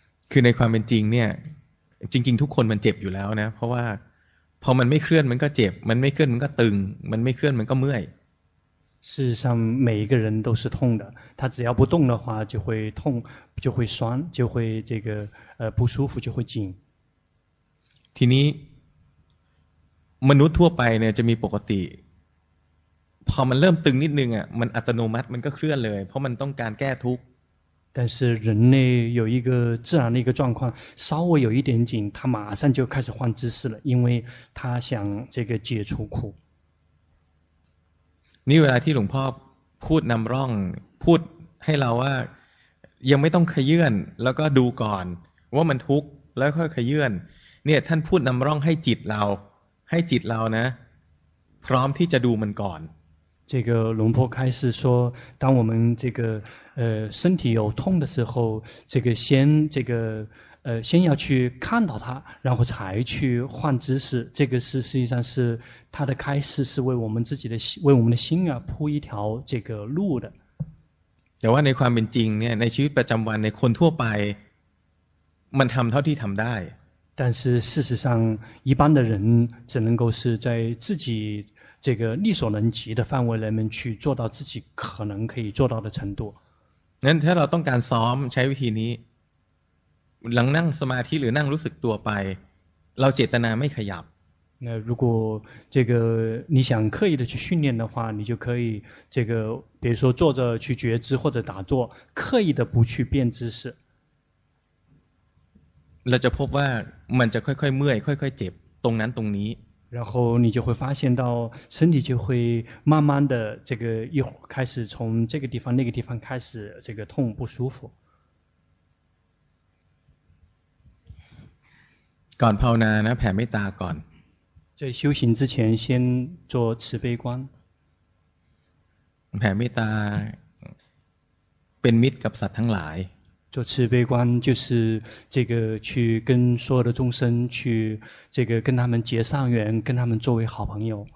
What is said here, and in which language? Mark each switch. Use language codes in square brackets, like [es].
[th] คือในความเป็นจริงเนี่ยจริงๆทุกคนมันเจ็บอยู่แล้วนะเพราะว่าพอมันไม่เคลื่อนมันก็เจ็บมันไม่เคลื่อนมันก็ตึงมันไม่เคลื่อนมันก็เมื่อย [zh] 事实上每一个人都是痛的他只要不动的话就会痛就会酸就会这个不舒服就会紧 [th] ทีนี้มนุษย์ทั่วไปเนี่ยจะมีปกติพอมันเริ่มตึงนิดนึงอ่ะมันอัตโนมัติมันก็เคลื่อนเลยเพราะมันต้องการแก้ทุกข์ แต่ [zh] 是人类有一个自然的一个状况稍微有一点紧他马上就开始换姿势了因为他想这个解除苦 [th] นี่เวลาที่หลวงพ่อพูดนำร่องพูดให้เราว่ายังไม่ต้องขยื่นแล้วก็ดูก่อนว่ามันทุกข์แล้วค่อยขยื่นเนี่ยท่านพูดนำร่องให้จิตเราให้จิตเรานะพร้อมที่จะดูมันก่อน [zh] 这个龙婆开始说当我们这个身体有痛的时候这个先这个先要去看到它然后才去换姿势这个是实际上是它的开始是为我们自己的为我们的心啊铺一条这个路的 [th] แต่ว่าในความเป็นจริงเนี่ยในชีวิตประจำวันในคนทั่วไปมันทำเท่าที่ทำได้ [zh] 但是事实上一般的人只能够是在自己这个力所能及的范围里面去做到自己可能可以做到的程度 [th] นั้นถ้าเราต้องการซ้อมใช้วิธีนี้หลังนั่งสมาธิหรือนั่งรู้สึกตัวไปเราเจตนาไม่ขยับ [zh] 那如果这个你想刻意的去训练的话你就可以这个比如说坐着去觉知或者打坐刻意的不去变姿势 [th] เราจะพบว่ามันจะค่อยๆเมื่อยค่อยๆเจ็บตรงนั้นตรงนี้ [zh] 然后你就会发现到身体就会慢慢的这个一开始从这个地方那个地方开始这个痛不舒服 [th] ก่อนภาวนานะแผ่เมตตาก่อน [zh] 在修行之前先做慈悲观 [th] แผ่เมตตาเป็นมิตรกับสัตว์ทั้งหลาย [zh] 做慈悲观就是这个去跟所有的众生去这个跟他们结善缘跟他们作为好朋友